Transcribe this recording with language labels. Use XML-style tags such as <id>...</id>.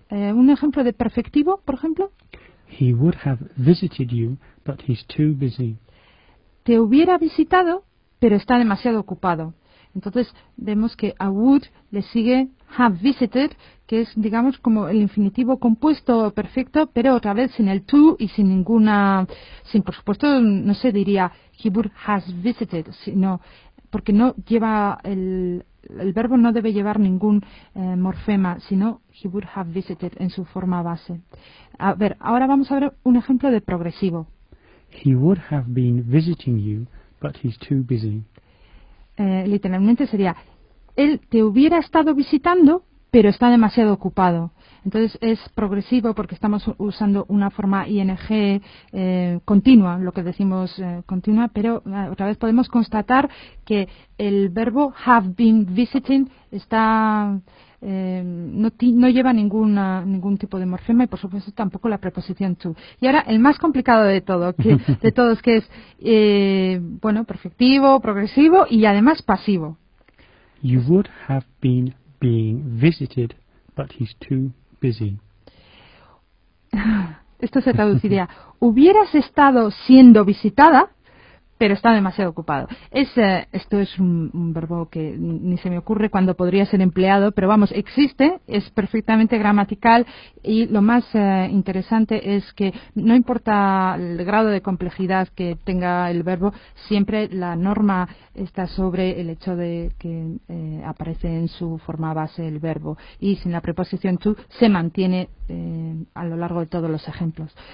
<es>Un ejemplo de perfectivo, por ejemplo.</es> <en>He would have visited you, but he's too busy.</en> <es>Te hubiera visitado, pero está demasiado ocupado. Entonces vemos que a would le sigue have visited, que es, digamos, como el infinitivo compuesto perfecto, pero otra vez sin el to y sin ninguna, sin, por supuesto, no se diría</es> <en>he would has visited,</en> <es>sino porque no lleva el verbo no debe llevar ningún morfema, sino</es> <en>he would have visited</en> <es>en su forma base. A ver, ahora vamos a ver un ejemplo de progresivo.</es> <en>He would have been visiting you, but he's too busy.</en> <es>Literalmente sería, él te hubiera estado visitando, pero está demasiado ocupado. Entonces es progresivo porque estamos usando una forma ing continua, lo que decimos continua, pero otra vez podemos constatar que el verbo</es> <en>have been visiting</en> <es>está no lleva ningún tipo de morfema y por supuesto tampoco la preposición to. Y ahora el más complicado de todo, que es bueno, perfectivo, progresivo y además pasivo.</es> <en>You would have been being visited, but he's too busy.</en> <es>Esto se traduciría hubieras estado siendo visitada, pero está demasiado ocupado. Esto es un verbo que ni se me ocurre cuándo podría ser empleado, pero vamos, existe, es perfectamente gramatical y lo más interesante es que no importa el grado de complejidad que tenga el verbo, siempre la norma está sobre el hecho de que aparece en su forma base el verbo y sin la preposición to se mantiene a lo largo de todos los ejemplos.</es>